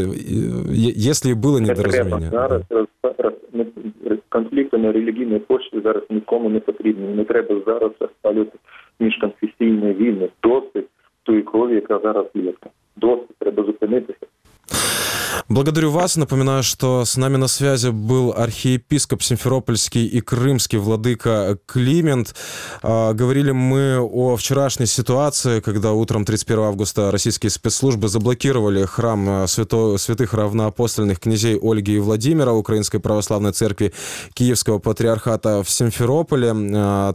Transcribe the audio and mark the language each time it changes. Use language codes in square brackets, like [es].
[ru] Если было недоразумение. Это требует. [uk] Конфликты на религийной почве зараз никому не потребны. Не треба зараз спалювати міжконфесійні війни, досить тої крові, яка зараз лєка. Досить, треба зупинитися. [ru] Благодарю вас. Напоминаю, что с нами на связи был архиепископ Симферопольский и Крымский владыка Климент. Говорили мы о вчерашней ситуации, когда утром 31 августа российские спецслужбы заблокировали храм святых равноапостольных князей Ольги и Владимира Украинской Православной Церкви Киевского Патриархата в Симферополе.